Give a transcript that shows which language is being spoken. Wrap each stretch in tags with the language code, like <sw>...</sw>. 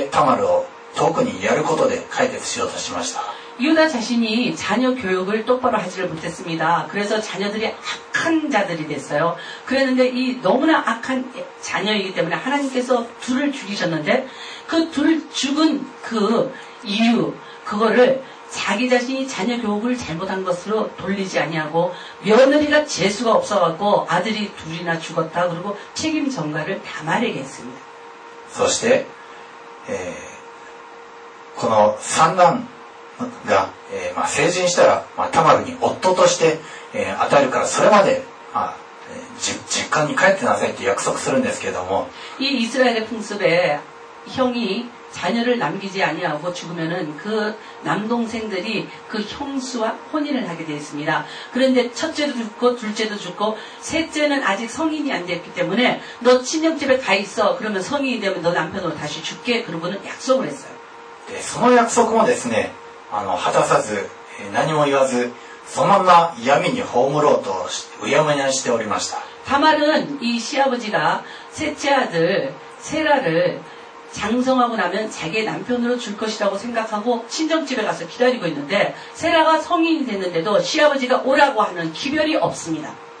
<ja>その二人が死んだのはですね、まあ自分のその家族親としての指導ミスとするのではなく、タマルがなんか縁起が悪い女っていうことで、まあそれでタマルを遠くにやることで解決しようとしました。</ja> <ko>유다 자신이 자녀 교육을 똑바로 하지 못했습니다. 그래서 자녀들이 악한 자들이 됐어요. 그랬는데 이 너무나 악한 자녀이기 때문에 하나님께서 둘을 죽이셨는데 그 둘 죽은 그 이유 그거를 자기 자신이 자녀 교육을 잘못한 것으로 돌리지 아니하고 며느리가 재수가 없어갖고 아들이 둘이나 죽었다 그리고 책임 전가를 다 말하겠습니다. 그리고</ko> <ja>この三男 が、成人したら、タマルに夫として与えるからそれまで実家に帰ってなさいって約束するんですけども。이</ja> <ko>이스라엘의 풍습에 형이 자녀를 남기지 아니하고 죽으면은 그 남동생들이 그 형수와 혼인을 하게 되었습니다. 그런데 첫째도 죽고 둘째도 죽고 셋째는 아직 성인이 안 됐기 때문에 너 친형 집에 가 있어 그러면 성인이 되면 너 남편으로 다시 줄게 그러고는 약속을 했어요.</ko> <ja>その約束もですね。果たさず何も言わずそのまま闇に葬ろうとうやむやにしておりました。</ja> <ko>타말은 이 시아버지가 셋째 아들 세라를 장성하고 나면 자기의 남편으로 줄 것이라고 생각하고 친정집에 가서 기다리고 있는데 세라가 성인이 됐는데도 시아버지가 오라고 하는 기별이 없습니다.</ko>